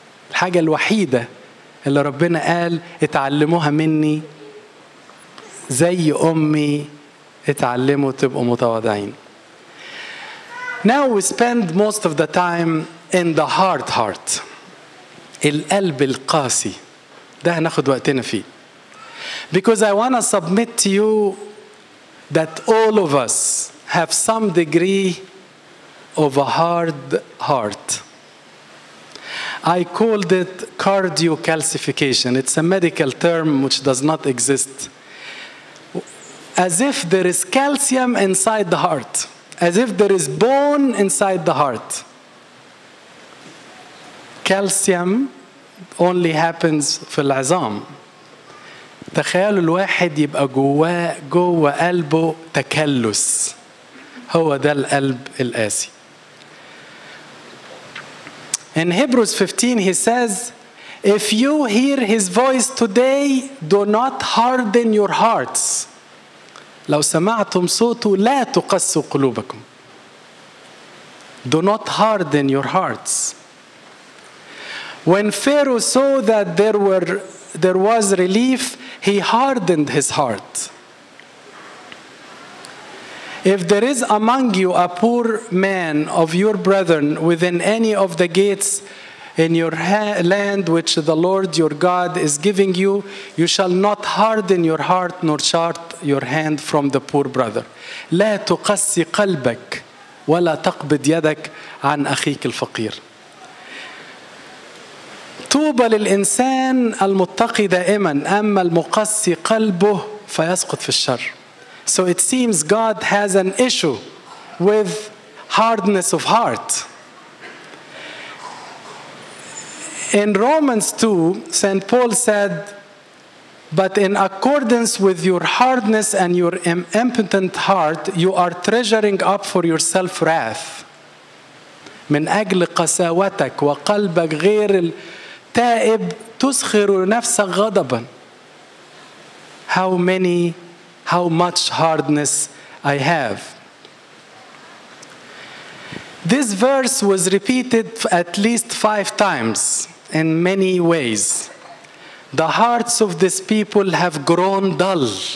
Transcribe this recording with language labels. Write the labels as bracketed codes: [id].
[ar] الحاجة الوحيدة اللي ربنا قال اتعلموها مني زي أمي اتعلموا تبقوا متواضعين. [en] Now we spend most of the time in the hard heart. [ar] القلب القاسي. ده هناخد وقتنا فيه. [en] Because I want to submit to you that all of us have some degree of a hard heart. I called it cardiocalcification. It's a medical term which does not exist. As if there is calcium inside the heart. As if there is bone inside the heart. Calcium only happens [ar] في العظام. تخيل الواحد يبقى جوه قلبه تكلس. هو ده القلب القاسي. [en] In Hebrews 15, he says, if you hear his voice today, do not harden your hearts. [ar] لو سمعتم صوته لا تقسوا قلوبكم. [en] Do not harden your hearts. When Pharaoh saw that there was relief, he hardened his heart. If there is among you a poor man of your brethren within any of the gates in your land which the Lord your God is giving you, you shall not harden your heart nor shut your hand from the poor brother. [ar] لا تقسي قلبك ولا تقبض يدك عن أخيك الفقير. طوبى للإنسان المتقي دائما أما المقسي قلبه فيسقط في الشر. [en] So it seems God has an issue with hardness of heart. In Romans 2, St. Paul said, but in accordance with your hardness and your impotent heart, you are treasuring up for yourself wrath. [ar] من أجل قساوتك وقلبك غير التائب تسخر نفسك غضبا. [en] How much hardness I have. This verse was repeated at least 5 times in many ways. The hearts of these people have grown dull.